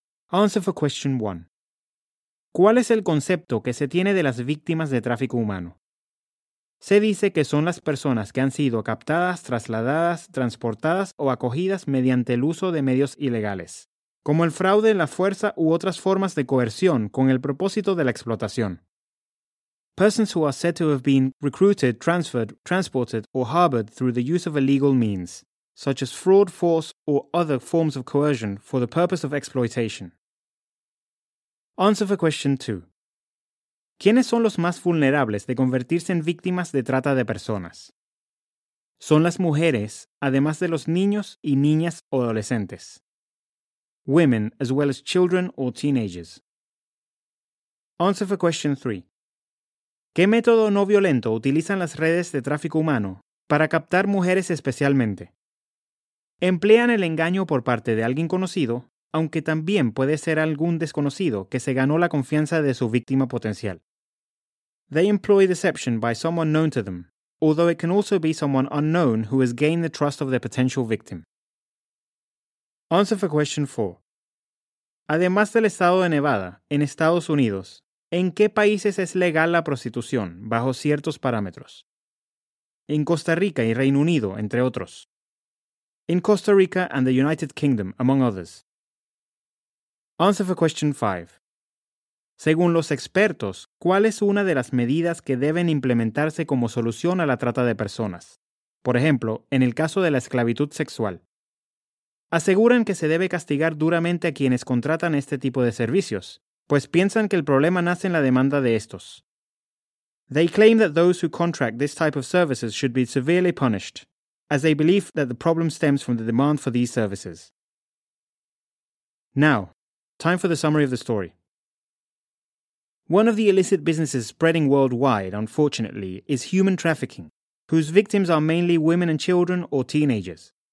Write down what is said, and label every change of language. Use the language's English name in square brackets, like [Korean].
[English] Answer for question 1. [Spanish] ¿Cuál es el concepto que se tiene de las víctimas de tráfico humano? Se dice que son las personas que han sido captadas, trasladadas, transportadas o acogidas mediante el uso de medios ilegales, como el fraude, la fuerza u otras formas de coerción con el propósito de la explotación. [English] Persons who are said to have been recruited, transferred, transported or harbored through the use of illegal means, such as fraud, force or other forms of coercion for the purpose of exploitation. Answer for question 2. [Spanish] ¿Quiénes son los más vulnerables de convertirse en víctimas de trata de personas? Son las mujeres, además de los niños y niñas o adolescentes. [English] Women, as well as children or teenagers. Answer for question 3. [Spanish] ¿Qué método no violento utilizan las redes de tráfico humano para captar mujeres especialmente? Emplean el engaño por parte de alguien conocido, aunque también puede ser algún desconocido que se ganó la confianza de su víctima potencial. [English] They employ deception by someone known to them, although it can also be someone unknown who has gained the trust of their potential victim. Answer for question 4. [Spanish] Además del estado de Nevada, en Estados Unidos, ¿en qué países es legal la prostitución bajo ciertos parámetros? En Costa Rica y Reino Unido, entre otros. [English] In Costa Rica and the United Kingdom, among others. Answer for question 5. [Spanish] Según los expertos, ¿cuál es una de las medidas que deben implementarse como solución a la trata de personas? Por ejemplo, en el caso de la esclavitud sexual. Aseguran que se debe castigar duramente a quienes contratan este tipo de servicios, pues piensan que el problema nace en la demanda de estos. [English] They claim that those who contract this type of services should be severely punished, as they believe that the problem stems from the demand for these services. Now, time for the summary of the story. One of the illicit businesses spreading worldwide, unfortunately, is human trafficking, whose victims are mainly women and children or teenagers.